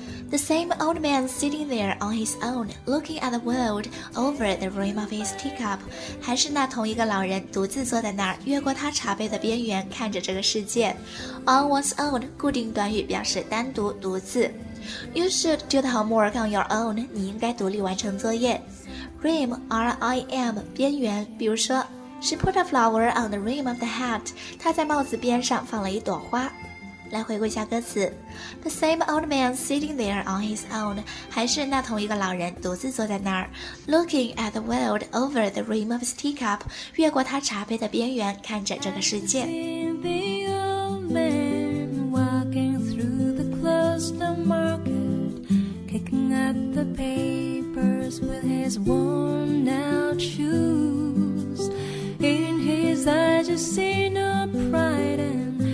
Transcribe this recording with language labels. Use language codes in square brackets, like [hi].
[en] The same old man sitting there on his own, looking at the world over the rim of his teacup. [zh] 还是那同一个老人独自坐在那儿，越过他茶杯的边缘，看着这个世界。 On one's own, 固定短语表示单独、独自。 [en] You should do the homework on your own, [zh] 你应该独立完成作业。 [en] Rim, R-I-M, 边缘，比如说 She put a flower on the rim of the hat. [zh] 她在帽子边上放了一朵花。来回顾一下歌词 [en] The same old man sitting there on his own [zh] 还是那同一个老人独自坐在那儿 [en] Looking at the world over the rim of his teacup [zh] 越过他茶杯的边缘看着这个世界 [en] I've seen the old man walking through the closed market Kicking at the papers with his worn out shoes In his eyes you see no pride and